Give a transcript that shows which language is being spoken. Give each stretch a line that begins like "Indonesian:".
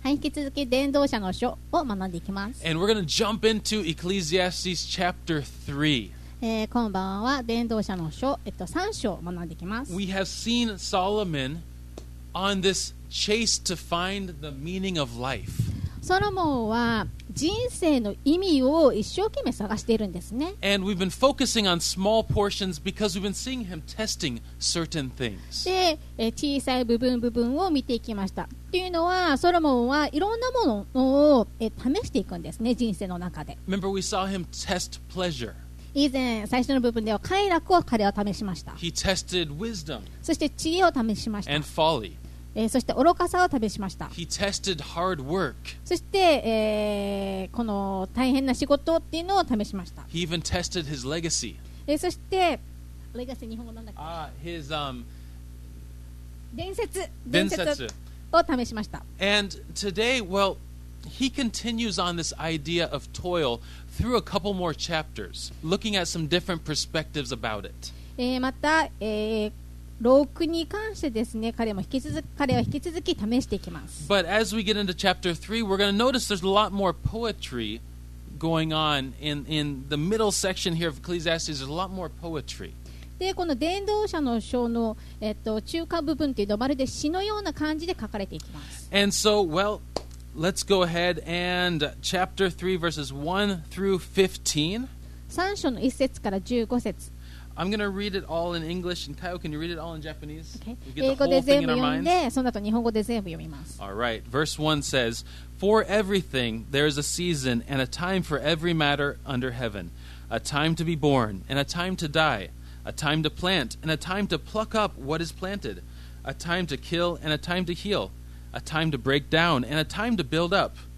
Japanese: はい、引き続き伝道者の書を学んでいきます。
English: And we're going to jump into Ecclesiastes chapter 3.
Japanese: 今晩は伝道者の書、3章を学んでいきます。
English: We have seen Solomon on this chase to find the meaning of life.
Japanese: ソロモンは人生の意味を一生懸命探しているんですね。
English: And we've been focusing on small portions because we've been seeing him testing certain things.
Japanese: で、小さい部分部分を見ていきました。というのはソロモンはいろんなものを試していくんですね、人生の中で。
English: Remember, we saw him test pleasure.
Japanese: 以前最初の部分では快楽を彼は試しました。
English: He tested wisdom
Japanese: そして知恵を試しました。
English: And folly
Japanese: そして愚かさを試しました。
English: He tested hard work
Japanese: そして、この大変な仕事っていうのを試しました。
English: He even tested his legacy
Japanese: そしてレガシー日本語なんだっけ、
English: His
Japanese: 伝説を試しました。
English: And today, well, he continues on this idea of toilThrough a couple more chapters, looking at some different perspectives about it.
Japanese: また、6に関してですね、彼は引き続き試していきます。
English: But as we get into chapter 3, we're going to notice there's a lot more poetry going on in the middle section here of Ecclesiastes. There's a lot more poetry.
Japanese: でこの伝道者の書の、中間部分というのはまるで詩のような感じで書かれていきます。
English: And so, well,Let's go ahead and chapter 3 verses 1 through 15.
Japanese: 3章の1節から15節。
English: I'm going to read it all in English. And Kaio, can you read it all in Japanese? Okay.
Japanese: 英語で全部読んで、その後日本語で全部読みます。
English: All right. Verse 1 says, For everything there is a season and a time for every matter under heaven. A time to be born and a time to die. A time to plant and a time to pluck up what is planted. A time to kill and a time to heal. A time to break down and a time to build up.